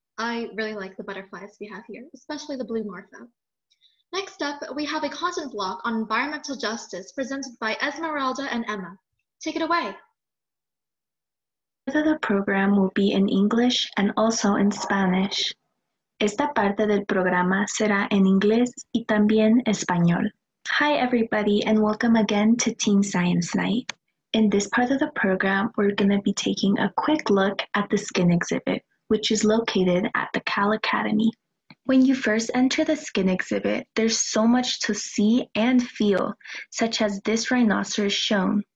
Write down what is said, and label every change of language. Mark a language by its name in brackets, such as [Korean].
[English] I really like the butterflies we have here, especially the blue morpho. Next up, we have a content block on environmental justice presented by Esmeralda and Emma. Take it away. Part of the program will be in English and also in Spanish. [Spanish] Esta parte del programa será en inglés y también español. [English] Hi, everybody, and welcome again to Teen Science Night. In this part of the program, we're going to be taking a quick look at the skin exhibit, which is located at the Cal Academy. When you first enter the skin exhibit, there's so much to see and feel, such as this rhinoceros shown.